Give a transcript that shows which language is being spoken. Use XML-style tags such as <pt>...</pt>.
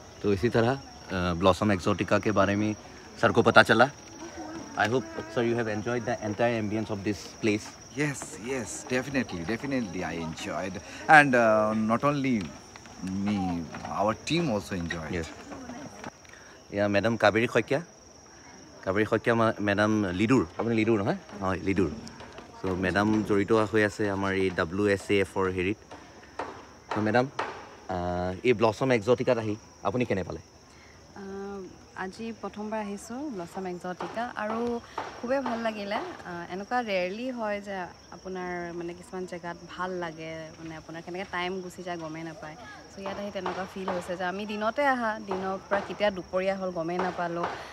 <hi>तो इसी तरह ब्लॉसम एक्सोटिका के बारे में सर को पता चला।</hi> <en>I hope sir you have enjoyed the entire ambience of this place. Yes yes definitely I enjoyed and not only me our team also enjoyed.</en> <hi>या मैडम</hi> <as>Kaveri खैकिया, Kaveri Saikia madam লিডুৰ, আপুনি লিডুৰ নহয়? হয় লিডুৰ। চ' মেডাম জড়িত হৈ আছে আমাৰ এই ডাব্লিউ এছ এ এফৰ হেৰিত। চ' মেডাম এই ব্লছম এক্সটিকাত আহি আপুনি কেনে পালে? আজি প্ৰথমবাৰ আহিছোঁ ব্লছম এক্সটিকা আৰু খুবেই ভাল লাগিলে। এনেকুৱা ৰেয়াৰলি হয় যে আপোনাৰ মানে কিছুমান জেগাত ভাল লাগে, মানে আপোনাৰ কেনেকৈ টাইম গুচি যায় গমেই নাপায়। চ' ইয়াত আহি তেনেকুৱা ফিল হৈছে যে আমি দিনতে অহা, দিনৰ পৰা কেতিয়া দুপৰীয়া হ'ল গমেই নাপালোঁ।</as>